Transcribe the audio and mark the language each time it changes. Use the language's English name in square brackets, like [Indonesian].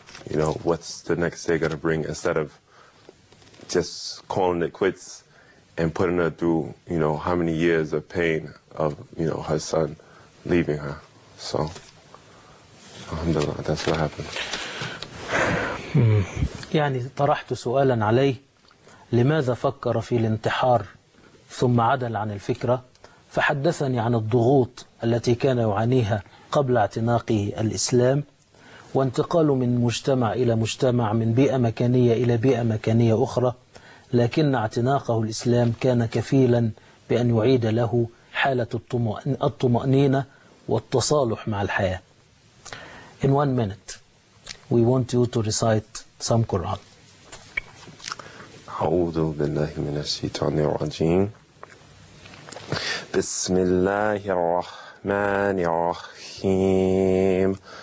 [English] You know, what's the next day gonna bring, instead of just calling it quits and putting her through, you know, how many years of pain of, you know, her son leaving her. So, alhamdulillah, that's what happened. [Arabic] يعني طرحت سؤالا عليه، لماذا فكر في الانتحار ثم عدل عن الفكرة؟ فحدثني عن الضغوط التي كان يعانيها قبل اعتناقه الإسلام، وانتقاله من مجتمع إلى مجتمع، من بيئة مكانية إلى بيئة مكانية أخرى، لكن اعتناقه الإسلام كان كفيلا بأن يعيد له حالة الطمأنينة والتصالح مع الحياة. [English] In one minute, we want you to recite some Quran. [Arabic] أعوذ بالله من الشيطان الرجيم. بسم الله الرحمن الرحيم.